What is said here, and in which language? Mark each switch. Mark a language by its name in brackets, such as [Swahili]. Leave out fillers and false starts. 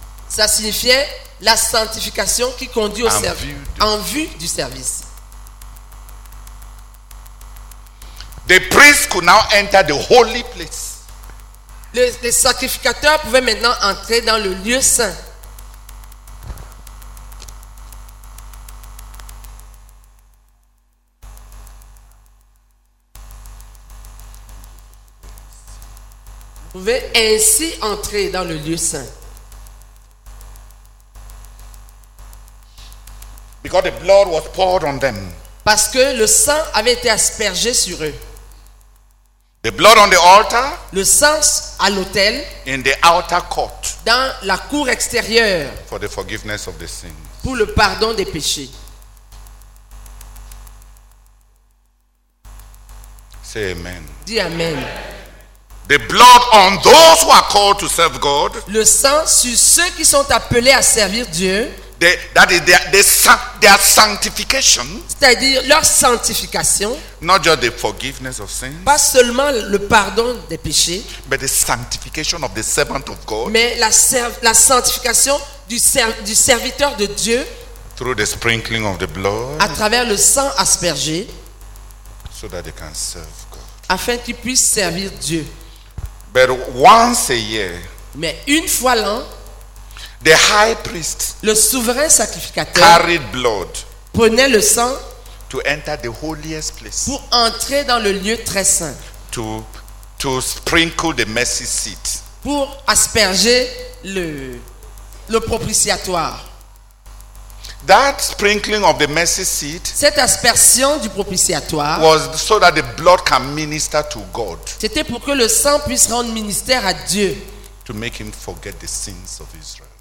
[French] Ça signifiait la sanctification qui conduit au service. En vue du service. [English] The priest could now enter the holy place. [French] Les sacrificateurs pouvaient maintenant entrer dans le lieu saint. Pouvait ainsi entrer dans le lieu saint. [English] Because the blood was poured on them. [French] Parce que le sang avait été aspergé sur eux. [English] The blood on the altar. [French] Le sang à l'autel. [English] In the outer court. [French] Dans la cour extérieure. [English] For the forgiveness of the sins. [French] Pour le pardon des péchés. [English] Say amen. [French] Dis amen. [English] The blood on those who are called to serve God. [French] Le sang sur ceux qui sont appelés à servir Dieu. [English] their sanctification. [French] C'est-à-dire leur sanctification. [English] Not just the forgiveness of sins. [French] Pas seulement le pardon des péchés. [English] But the sanctification of the servant of God. [French] Mais la sanctification du serviteur de Dieu. [English] Through the sprinkling of the blood. [French] À travers le sang aspergé. [English] So that they can serve God. [French] Afin qu'ils puissent servir Dieu. [English] But once a year. [French] Mais une fois l'an. [English] The high priest. [French] Le souverain sacrificateur. [English] Carried blood. [French] Prenait le sang. [English] To enter the holiest place. [French] Pour entrer dans le lieu très saint. [English] To sprinkle the mercy seat. [French] Pour asperger le propitiatoire. [English] That sprinkling of the mercy seat. [French] Cette aspersion du propitiatoire. [English] Was so that the blood can minister to God. [French] C'était pour que le sang puisse rendre ministère à Dieu. [English] To make him forget the sins of Israel.